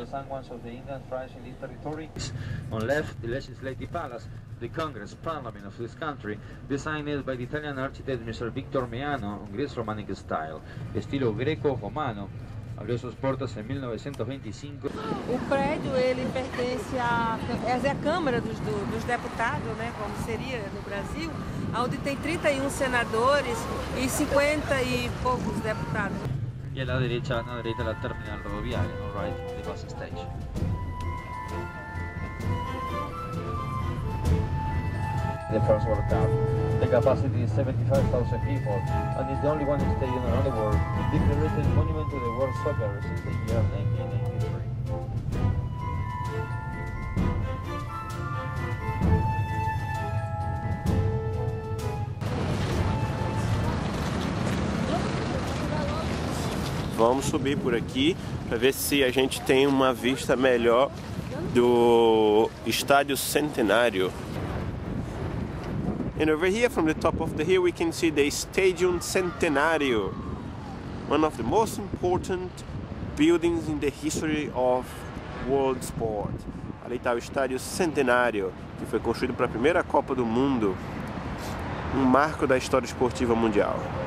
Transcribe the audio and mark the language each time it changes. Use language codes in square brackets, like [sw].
[en] On left, the Legislative Palace, the Congress Parliament of this country, designed by the Italian architect Mr. [es] Victor Meano, [en] Greco-Romanic style, [es] estilo greco-romano, abrió sus puertas en 1925. [pt] El prédio ele pertence a essa é a Câmara dos Deputados, né, como seria no Brasil, onde tem 31 senadores e 50 e poucos deputados. [es] Y a la derecha, la terminal rodoviaria, ¿no? [en] Right, the bus station. The first World Cup. The capacity is 75,000 people, and it's the only one stadium around the world declared monument to the world soccer since the year 1983. [pt] Vamos subir por aqui para ver se a gente tem uma vista melhor do Estádio Centenário. [en] And over here, from the top of the hill, we can see the Estádio Centenário, one of the most important buildings in the history of world sport. [pt] Ali está o Estádio Centenário, que foi construído para a primeira Copa do Mundo, um marco da história esportiva mundial.